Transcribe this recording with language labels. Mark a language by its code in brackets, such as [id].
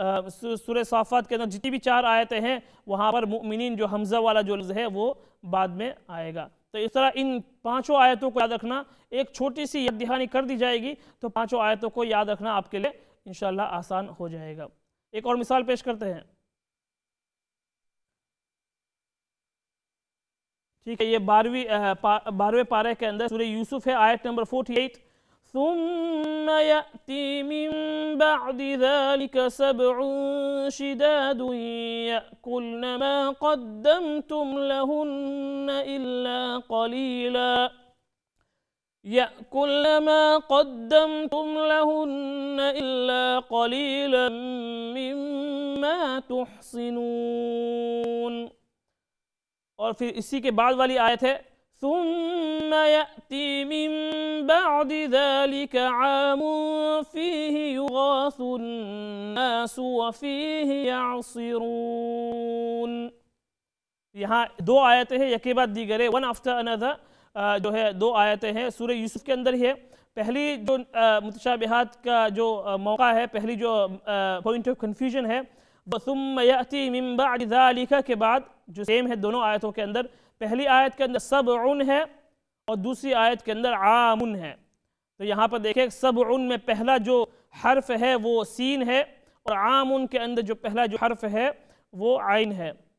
[ur] سورہ صافات کے اندر جتنی بھی چار آیتیں ہیں وہاں پر مؤمنین جو حمزہ والا جو لفظ ہے وہ بعد میں آئے گا تو اس طرح ان پانچوں آیتوں کو یاد رکھنا ایک چھوٹی سی یاد دہانی کر دی جائے گی تو پانچوں آیتوں کو یاد رکھنا آپ کے لیے انشاءاللہ آسان ہو جائے گا ایک اور مثال پیش کرتے ہیں ٹھیک ہے یہ بارہویں پارے کے اندر سورہ یوسف ہے آیت نمبر 48 [ar] ثم يأتي من بعد ذلك سبع شداد يأكلن ما قدمتم لهن إلا قليلا يأكلن ما قدمتم لهن إلا قليلا مما تحصنون [ur] اور پھر اسی کے بعد والی آیت ہے [ar] ثم يأتي من بعد ذلك عام فيه يغاث الناس وفيه يعصرون [ur] یہاں دو آیتیں ہیں یکے بعد دیگرے [en] one after another [ur] جو ہے دو آیتیں ہیں سورہ یوسف کے اندر ہی ہے پہلی جو متشابہات کا جو موقع ہے پہلی جو [en] point of confusion [ur] ہے [ar] ثم يأتي من بعد ذلك [ur] کے بعد جو سیم ہے دونوں آیتوں کے اندر پہلی آیت کے اندر سبعن ہے اور دوسری آیت کے اندر عامن ہے تو یہاں پر دیکھیں سبعن میں پہلا جو حرف ہے وہ سین ہے اور عامن کے اندر جو پہلا جو حرف ہے وہ عین ہے